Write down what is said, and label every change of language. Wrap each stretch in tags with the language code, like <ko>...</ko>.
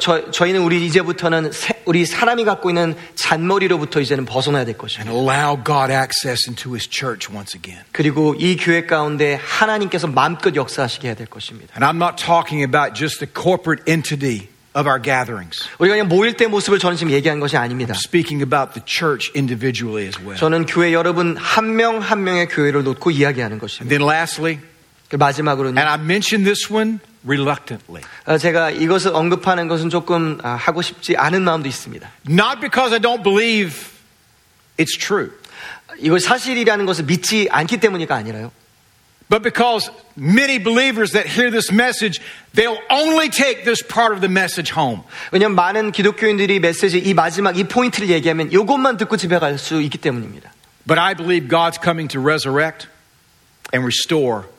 <ko>저희는 우리 이제부터는 우리 사람이 갖고 있는 잔머리로부터 이제는 벗어나야 될 것입니다.</ko> <en>And allow God access into His church once again.</en> <ko>그리고 이 교회 가운데 하나님께서 마음껏 역사하시게 해야 될 것입니다.</ko> <en>And I'm not talking about just the corporate entity of our gatherings.</en> <ko>우리가 그냥 모일 때 모습을 저는 지금 얘기한 것이 아닙니다.</ko> <en>I'm speaking about the church individually as well.</en> <ko>저는 교회 여러분 한 명 한 명의 교회를 놓고 이야기하는 것입니다.</ko> <en>And then lastly,</en> <ko>마지막으로는</ko> <en>And I mentioned this one. Reluctantly.</en> <ko>제가 이것을 언급하는 것은 조금 하고 싶지 않은 마음도 있습니다.</ko> <en>Not because I don't believe it's true.</en> <ko>이것 사실이라는 것을 믿지 않기 때문이가 아니라요.</ko> <en>But because many believers that hear this message, they'll only take this part of the message home.</en> <ko>왜냐하면 많은 기독교인들이 메시지 이 마지막 이 포인트를 얘기하면 이것만 듣고 집에 갈 수 있기 때문입니다.</ko> <en>But I believe God's coming to resurrect and restore.</en>